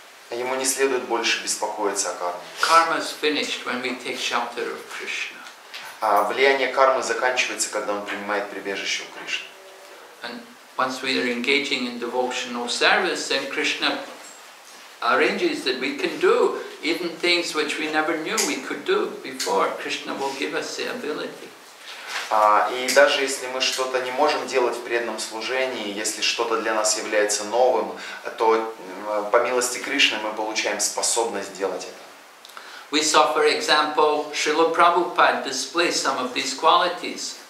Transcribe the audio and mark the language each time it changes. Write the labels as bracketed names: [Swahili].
[Russian] Ему не следует больше беспокоиться о карме. [English] Karma is finished when we take shelter of Krishna. [Russian] А влияние кармы заканчивается, когда он принимает прибежище у Кришны. [English] Once we are engaging in devotional service, then Krishna arranges that we can do even things which we never knew we could do before. Krishna will give us the ability. [Russian] И даже если мы что-то не можем делать в преданном служении, если что-то для нас является новым, то по милости Кришны мы получаем способность делать это. [English] We saw, for example, Srila Prabhupada display some of these qualities.